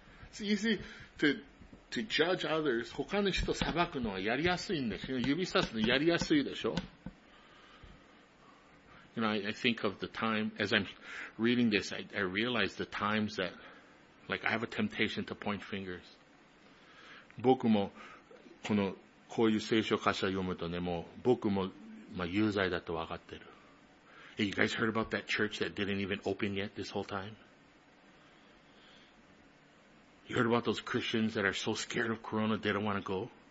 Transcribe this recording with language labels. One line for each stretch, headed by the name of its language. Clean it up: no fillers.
English: It's easy to judge others.
Japanese: 他の人を裁くのはやりやすいんですよ。指さすのやりやすいでしょ。
English: You know, I think of the time, as I'm reading this, I realize the times that, like, I have a temptation to point fingers.
Japanese: 僕も、この、こういう聖書箇所を読むとね、もう、僕も、まあ、有罪だとわかってる。
English: Hey, you guys heard about that church that didn't even open yet this whole time? You heard about those Christians that are so scared of Corona they don't want to go?